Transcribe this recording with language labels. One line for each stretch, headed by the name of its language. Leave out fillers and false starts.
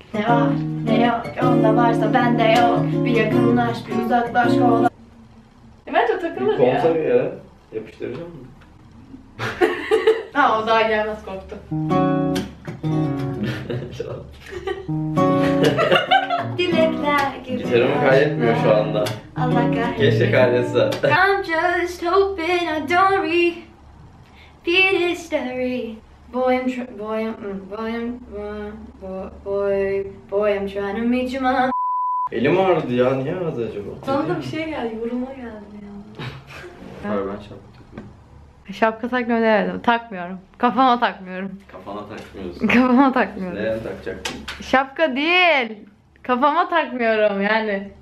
Turkish: Ne var ne yok onda varsa bende yok. Bir yakınlaş bir uzaklaş kola. Bence takılır ya. Bir konser ya. Yapıştıracağım mı? Ha, o daha gelmez, korktu. Dilekler gibi. Gitarımı kaydetmiyor şu anda. Keşke kaydetse.
English: I'm just hoping I don't repeat history. Boy I'm trying to meet you my.
Turkish: Elim ağrıdı ya, niye ağrıdı acaba? Sonunda bir şey geldi, yoruma geldi ya. Hayır, ben şapka takmıyorum. Şapka takmıyorum demedim, takmıyorum. Kafama takmıyorum. Kafana takmıyorsun. Kafama takmıyorum. Neye takacaktın? Şapka değil. Kafama takmıyorum yani.